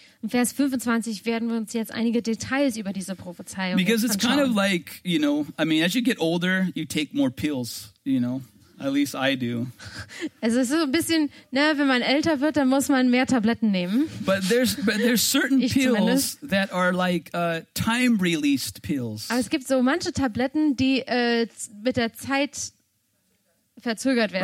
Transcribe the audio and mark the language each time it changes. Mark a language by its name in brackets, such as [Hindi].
[German] In Vers 25 werden wir uns jetzt einige Details über diese Prophezeiung [English] because [German] anschauen. [English] Because it's kind of like, you know, I mean, as you get older, you take more pills, you know. At least I do. [German] Also es ist so ein bisschen, ne, wenn man älter wird, dann muss man mehr Tabletten nehmen. [English] But there's certain pills that are like time-released pills. [German] Aber es gibt so manche Tabletten, die mit der Zeit verzögert werden.